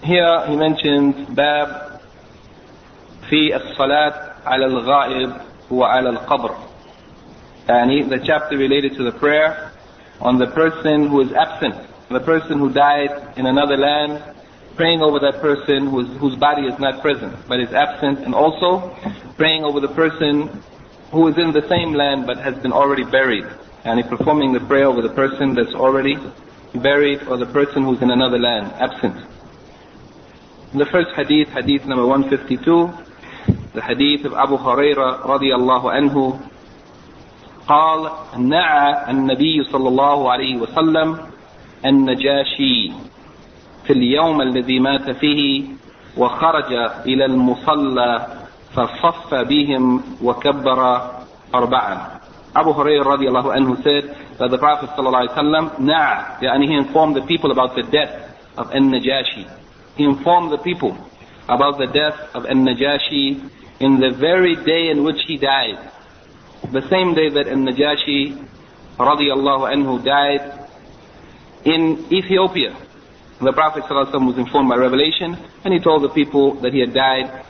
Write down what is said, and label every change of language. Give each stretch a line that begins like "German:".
English: Here he mentions bab fi as-salat ala al-ghaib wa ala al-qabr, and the chapter related to the prayer on the person who is absent, the person who died in another land, praying over that person whose body is not present but is absent, and also praying over the person who is in the same land but has been already buried, and he performing the prayer over the person that's already buried or the person who's in another land, absent. The first hadith, hadith number 152, the hadith of Abu Huraira radiallahu anhu,
Arabic: قال نعى النبي صلى الله عليه وسلم النجاشي في اليوم الذي مات فيه وخرج إلى المصلى فصف بهم وكبر أربعا.
English: Abu Huraira radiallahu anhu said that the Prophet sallallahu alayhi wa sallam he informed the people about the death of An-Najashi. He informed the people about the death of An-Najashi in the very day in which he died. The same day that An-Najashi radiallahu anhu died in Ethiopia, the Prophet sallallahu alayhi wa sallam was informed by revelation and he told the people that he had died.